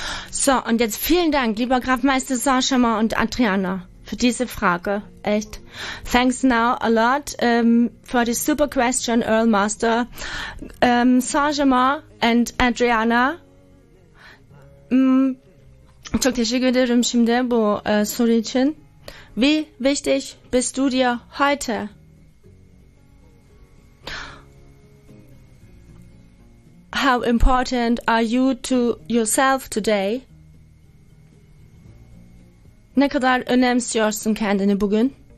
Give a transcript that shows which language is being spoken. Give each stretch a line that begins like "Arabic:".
German: So, und jetzt vielen Dank, lieber Grafmeister Sarschema und Adriana, für diese Frage. Echt.
English: Thanks now a lot for the super question, Earl Master. Sarschema and Adriana.
Turkish: Çok teşekkür ederim şimdi bu soru için.
German: Wie wichtig bist du dir heute?
English: How important are you to yourself today?
Turkish: Ne kadar önemsiyorsun kendini bugün?